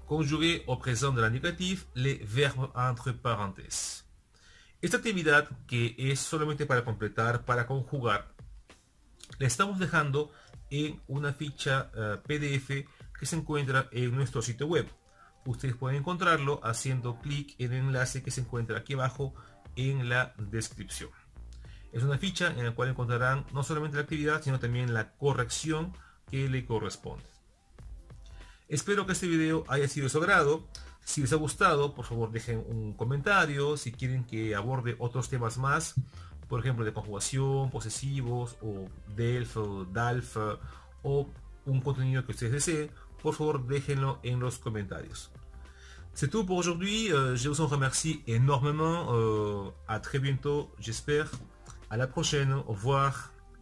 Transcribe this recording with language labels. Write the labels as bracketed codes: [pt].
[fr] Conjuguer au présent de l'indicatif les verbes entre parenthèses. [es] Esta actividad, que es solamente para completar, para conjugar, la estamos dejando en una ficha PDF que se encuentra en nuestro sitio web. Ustedes pueden encontrarlo haciendo clic en el enlace que se encuentra aquí abajo en la descripción. Es una ficha en la cual encontrarán no solamente la actividad, sino también la corrección que le corresponde. Espero que este video haya sido de su agrado. Si les ha gustado, por favor dejen un comentario. Si quieren que aborde otros temas más, por ejemplo, de conjugación, posesivos, o DELF, o un contenido que ustedes deseen, por favor déjenlo en los comentarios. [fr] C'est tout pour aujourd'hui. Je vous en remercie énormément. À très bientôt, j'espère. À la prochaine. Au revoir.